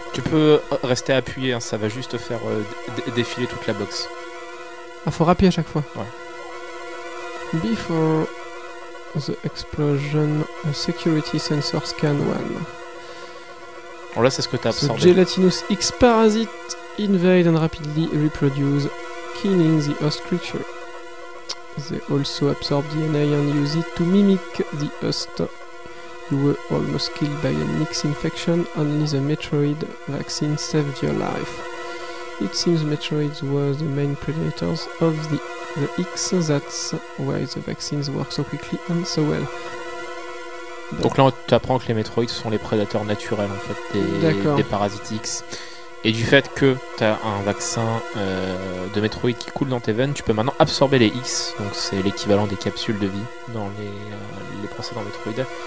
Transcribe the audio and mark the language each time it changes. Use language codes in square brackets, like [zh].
[fr] peux rester appuyé, hein, ça va juste faire défiler toute la box. Ah, faut rappeler à chaque fois. Ouais. [en] Before the explosion, a security sensor scan one. [fr] Bon, là, c'est ce que t'as absorbé. [en] The gelatinous X parasite invade and rapidly reproduce, killing the host creature. They also absorb DNA and use it to mimic the host. You were almost killed by a Nyx infection. Only the Metroid vaccine saved your life. It seems Metroids were the main predators of the X. That's why the vaccines work so quickly and so well. [fr] Donc là, tu apprends que les Metroids sont les prédateurs naturels, en fait, des parasites X. Et du fait que tu as un vaccin de Metroid qui coule dans tes veines, tu peux maintenant absorber les X. Donc c'est l'équivalent des capsules de vie dans les précédents Metroid.